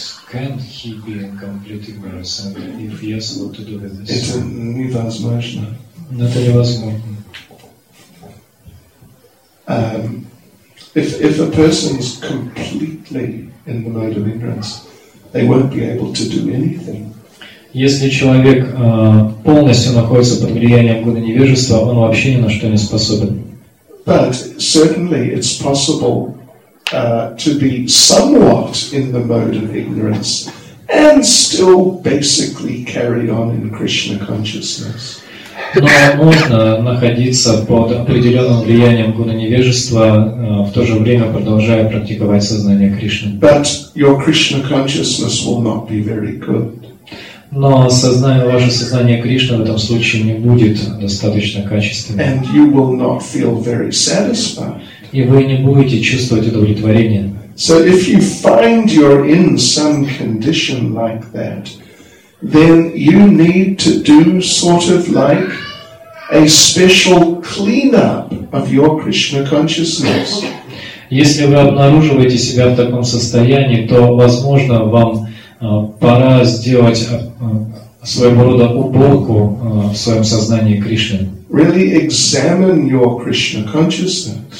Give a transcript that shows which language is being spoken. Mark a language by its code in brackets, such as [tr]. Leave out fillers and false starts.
[en] Can he be a complete ignorance? If yes, what to do with this? [ru] Это невозможно. Это невозможно. [en] If a person is completely in the mode of ignorance, they won't be able to do anything. [ru] Если человек полностью находится под влиянием гуны невежества, он вообще ни на что не способен. [en] But certainly it's possible to be somewhat in the mode of ignorance and still basically carry on in Krishna consciousness. [ru] Но можно находиться под определенным влиянием гуны невежества, в то же время продолжая практиковать сознание Кришны. [en] But your Krishna consciousness will not be very good. [ru] Но сознание, ваше сознание Кришны в этом случае не будет достаточно качественным. [en] And you will not feel very satisfied. [ru] И вы не будете чувствовать удовлетворение. [en] So if you find you're in some condition like that, then you need to do sort of like a special cleanup of your Krishna consciousness. [ru] Если вы обнаруживаете себя в таком состоянии, то, возможно, вам пора сделать своего рода уборку в своем сознании Кришны. [en] Really examine your Krishna consciousness.